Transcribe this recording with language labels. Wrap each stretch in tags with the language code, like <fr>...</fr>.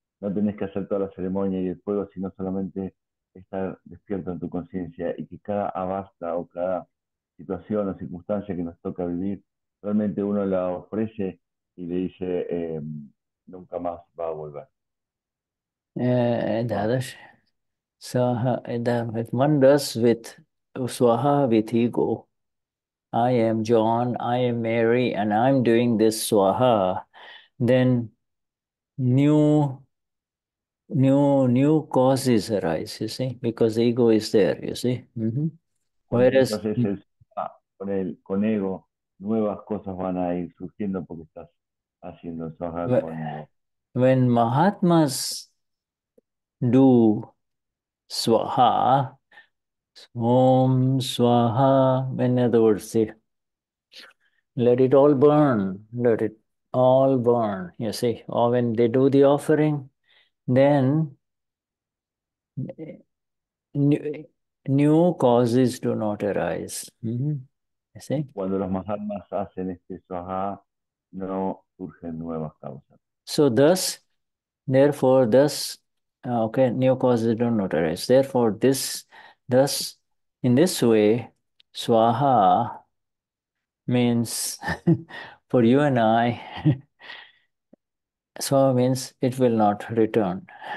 <es>No tienes que hacer toda la ceremonia y el fuego, sino solamente estar despierto en tu conciencia y que cada avasta o cada situación o circunstancia que nos toca vivir, realmente uno la ofrece y le dice, nunca más va a volver.</es> <en>If one does with swaha with ego, I am John, I am Mary, and I'm doing this swaha, then new causes arise, you see, because the ego is there, you see. Mm-hmm. Whereas</en> <es>con ego, nuevas cosas van a ir surgiendo porque estás haciendo swaha con ego.</es> <en>When Mahatmas do swaha, Om swaha, in other words, see, let it all burn, let it all burn, you see. Or when they do the offering, then new causes do not arise. Mm-hmm. You see?</en> <es>Cuando los mahatmas hacen este swaha, no surgen nuevas causas.</es> <en>So thus, therefore, thus, okay, new causes do not arise. Therefore, in this way, swaha means for you and I, swaha means it will not return.</en>